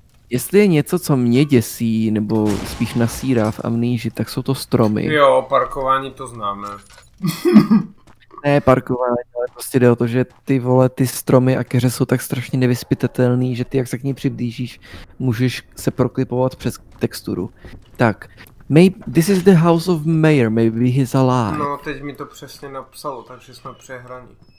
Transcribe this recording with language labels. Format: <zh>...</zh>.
<cs>Jestli je něco, co mě děsí, nebo spíš nasírá v amnéži, tak jsou to stromy. Jo, parkování to známe. Ne parkování, ale prostě jde o to, že ty vole, ty stromy a keře jsou tak strašně nevyspytatelný, že ty jak se k ní přiblížíš, můžeš se proklipovat přes texturu.</cs> <en>Tak, this is the house of mayor, maybe he's alive.</en> <cs>No, teď mi to přesně napsalo, takže jsme přehraní.</cs>